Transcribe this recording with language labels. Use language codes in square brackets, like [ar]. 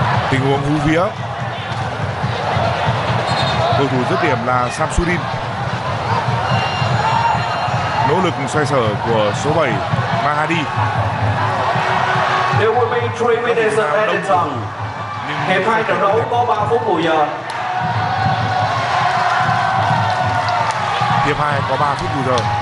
[vi] Tình huống hú vía. Cầu thủ dứt điểm là Samsudin. nỗ lực xoay sở của số 7 Mahadi. [en] There will be 3 minutes of added time. [vi] Hiệp hai trận đấu có 3 phút bù giờ. Hiệp hai có 3 phút bù giờ.